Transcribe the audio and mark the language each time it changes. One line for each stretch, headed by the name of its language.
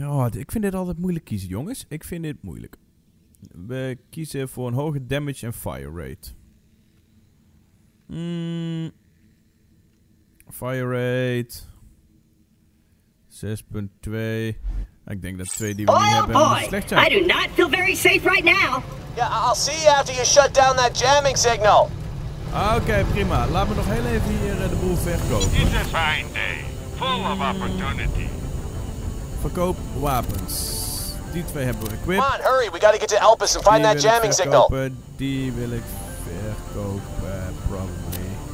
Dutch: Ik vind dit altijd moeilijk kiezen, jongens. Ik vind dit moeilijk. We kiezen voor een hoge damage en fire rate.
English: Fire rate. 6.2.
Dutch: Ik denk dat 2 die we hebben slecht zijn.
English: I do not feel very safe right now. Yeah, I'll see you after you shut down that jamming signal.
Dutch: Oké, prima. Laat me nog heel even hier de boel verkopen.
English: It's a fine day. Full of opportunity.
Dutch: Verkoop wapens. Die twee hebben we equipped.
English: Come on, hurry. We gotta get to Elpis and find that jamming signal.
Dutch: Die wil ik verkopen,
English: probably.